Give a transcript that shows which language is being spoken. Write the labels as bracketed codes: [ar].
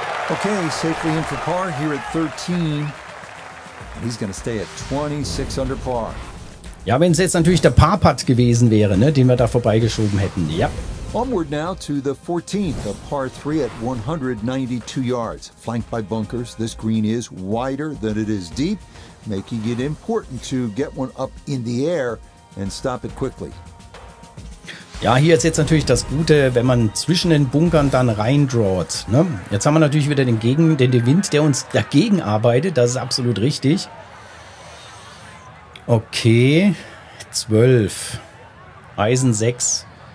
[en] Okay, safely in for par here at 13. And he's gonna stay at 26 under par. [de] Ja, wenn es jetzt natürlich der Par-Putt gewesen wäre, ne, den wir da vorbeigeschoben hätten, ja. [en] Onward now to the 14th, a par 3 at 192 yards. Flanked by bunkers, this green is wider than it is deep, making it important to get one up in the air and stop it quickly. [de] Ja, hier ist jetzt natürlich das Gute, wenn man zwischen den Bunkern dann reindraht. Ne? Jetzt haben wir natürlich wieder den Wind, der uns dagegen arbeitet. Das ist absolut richtig. Okay, 12. Eisen 6.